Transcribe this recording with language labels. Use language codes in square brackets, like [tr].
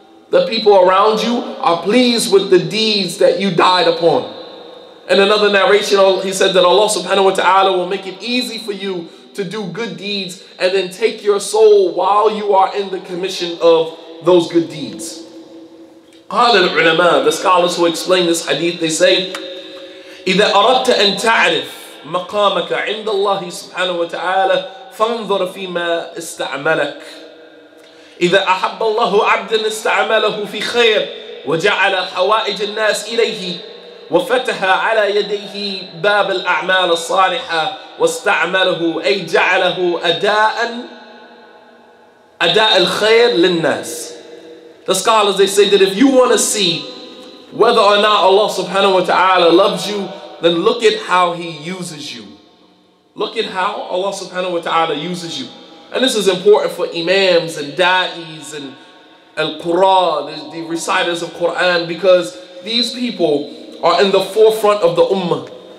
[en] The people around you are pleased with the deeds that you died upon. In another narration, he said that Allah subhanahu wa ta'ala will make it easy for you to do good deeds and then take your soul while you are in the commission of those good deeds. [ar] قال العلماء, [en] the scholars who explain this hadith, they say, [ar] إِذَا أَرَدْتَ أَن تَعْرِفْ مَقَامَكَ عِنْدَ اللَّهِ سُبْحَانَهُ وَتَعَالَى فَانْظُرْ فِي مَا اسْتَعْمَلَكَ إِذَا أَحَبَّ اللَّهُ عَبْدًا اسْتَعْمَلَهُ فِي خَيْرٍ وَجَعَلَ حَوَائِجَ النَّاسِ إِلَيْهِ وَفَتَحَ عَلَى يَدَيْهِ بَابَ الْأَعْمَالِ الصَّالِحَةِ وَاسْتَعْمَلَهُ أَيْ جَعَلَهُ أَدَاءً الْخَيْرِ لِلنَّاسِ. [en] The scholars, they say that if you want to see whether or not Allah subhanahu wa ta'ala loves you, then look at how He uses you. Look at how Allah subhanahu wa ta'ala uses you. And this is important for imams and da'is and al-qura, the reciters of Quran, because these people are in the forefront of the ummah.